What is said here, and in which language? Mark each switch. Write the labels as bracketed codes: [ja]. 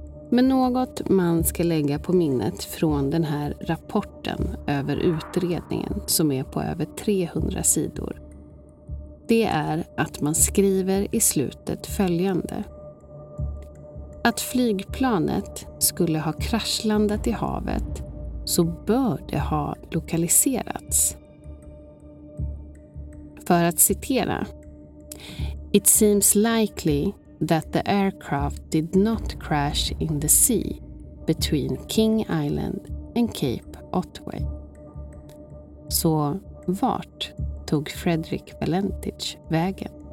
[sv] Men något man ska lägga på minnet från den här rapporten över utredningen som är på över 300 sidor, det är att man skriver i slutet följande. Att flygplanet skulle ha kraschlandat i havet så bör det ha lokaliserats. För att citera. [en] It seems likely that the aircraft did not crash in the sea between King Island and Cape Otway. [sv] Så vart tog Fredrik Valentich vägen?